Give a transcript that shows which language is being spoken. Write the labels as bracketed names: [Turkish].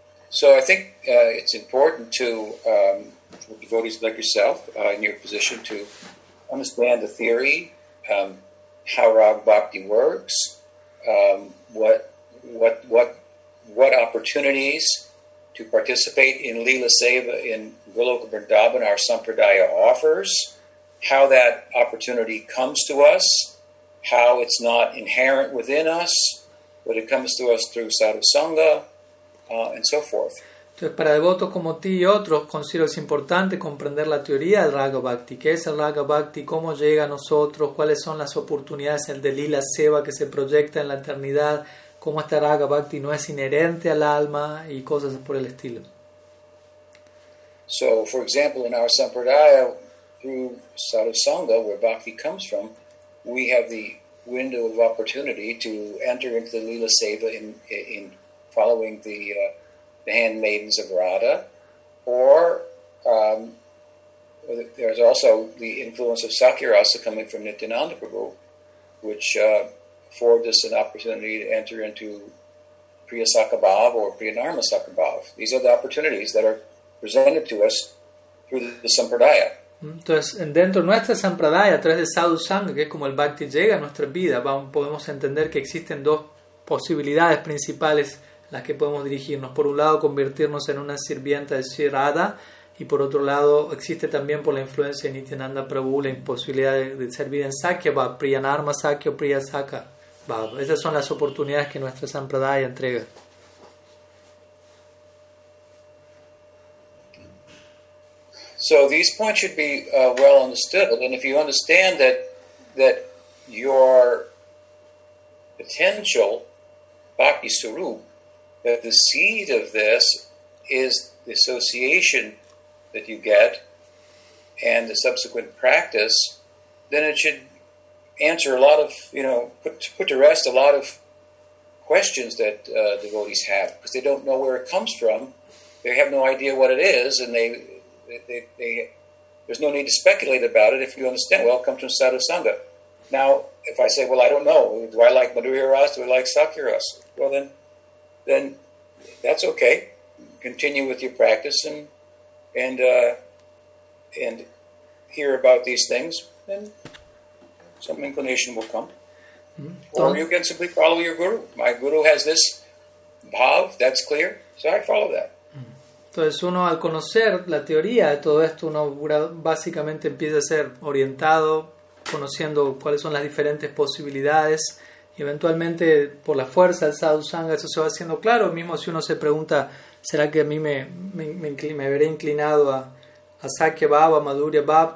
[English] So I think it's important to for devotees like yourself in your position to understand the theory, how Raga Bhakti works, what opportunities to participate in Leela Seva in Goloka Vrindavan our Sampradaya offers, how that opportunity comes to us, how it's not inherent within us, but it comes to us through sadhusanga, and so forth. [Spanish] Entonces, para devotos como ti y otros, considero es importante comprender la teoría del Raga Bhakti. ¿Qué es el Raga Bhakti? ¿Cómo llega a nosotros? ¿Cuáles son las oportunidades de Leela Seva que se proyecta en la eternidad? ¿Cómo esta Raga Bhakti no es inherente al alma? Y cosas por el estilo. [English] So, for example, in our Sampradaya, through sadhusanga, where Bhakti comes from, we have the window of opportunity to enter into the Leela Seva in following the handmaidens of Radha, or there's also the influence of Sakyarasa coming from Nityananda Prabhu, which affords us an opportunity to enter into Priya Sakabhav or Priya Narma Sakabhav. These are the opportunities that are presented to us through the Sampradaya. [Spanish] Entonces, dentro de nuestra Sampradaya, a través de Sadhu Sangha, que es como el Bhakti llega a nuestra vida, podemos entender que existen dos posibilidades principales las que podemos dirigirnos. Por un lado, convertirnos en una sirvienta de Sri Radha, y por otro lado, existe también por la influencia de Nityananda Prabhu la posibilidad de servir en Sakya Bhav, Priya Narma Sakya o Priya Saka Bhav. Esas son las oportunidades que nuestra Sampradaya entrega. [English] So these points should be well understood, and if you understand that your potential bhakti sarup, that the seed of this is the association that you get and the subsequent practice, then it should answer a lot of, put to rest a lot of questions that devotees have, because they don't know where it comes from, they have no idea what it is, and there's no need to speculate about it if you understand. Well, it comes from sadhusanga. Now, if I say, well, I don't know, do I like Madhurya Ras, do I like Sakya Ras? Well, then that's okay. Continue with your practice and hear about these things, and some inclination will come. Mm-hmm. Or you can simply follow your guru. My guru has this bhav, that's clear, so I follow that. [Spanish] Entonces uno, al conocer la teoría de todo esto, uno básicamente empieza a ser orientado, conociendo cuáles son las diferentes posibilidades, y eventualmente por la fuerza del Sadhu Sangha eso se va haciendo claro. Mismo si uno se pregunta, ¿será que a mí me veré inclinado a Sakya Bhava, a Madhurya Bhava?